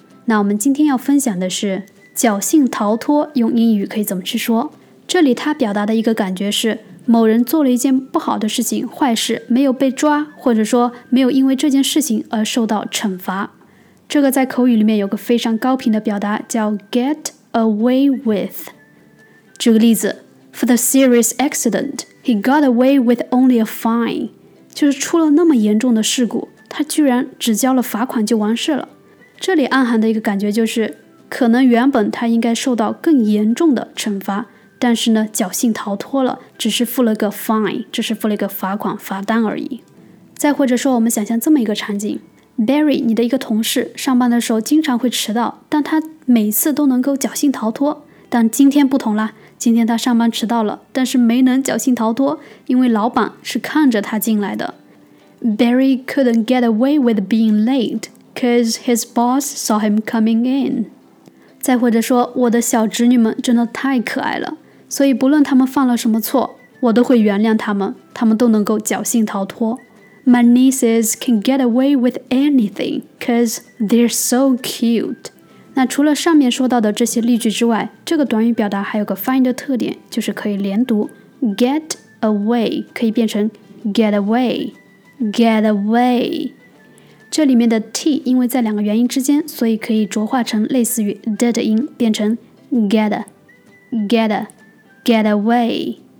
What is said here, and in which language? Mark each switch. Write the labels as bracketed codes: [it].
[zh] 那我们今天要分享的是侥幸逃脱，用英语可以怎么去说。这里它表达的一个感觉是某人做了一件不好的事情，坏事，没有被抓，或者说没有因为这件事情而受到惩罚。这个在口语里面有个非常高频的表达叫 get away with。 [en] 举个例子， For the serious accident, he got away with only a fine。 [zh] 就是出了那么严重的事故，他居然只交了罚款就完事了。这里暗含的一个感觉就是可能原本他应该受到更严重的惩罚，但是呢侥幸逃脱了，只是付了个 fine， 只是付了一个罚款罚单而已。再或者说我们想象这么一个场景，Barry， 你的一个同事上班的时候经常会迟到，但他每次都能够侥幸逃脱。但今天不同了，今天他上班迟到了，但是没能侥幸逃脱，因为老板是看着他进来的。 [en] Barry couldn't get away with being late because his boss saw him coming in。 [zh] 再或者说，我的小侄女们真的太可爱了，所以不论他们犯了什么错，我都会原谅他们，他们都能够侥幸逃脱。 [en] My nieces can get away with anything because they're so cute。 [zh] 那除了上面说到的这些例句之外，这个短语表达还有个发音的特点，就是可以连读 get away， 可以变成 get away get away。这里面的 t 因为在两个元音之间，所以可以浊化成类似于 d 的音，变成 get get get away。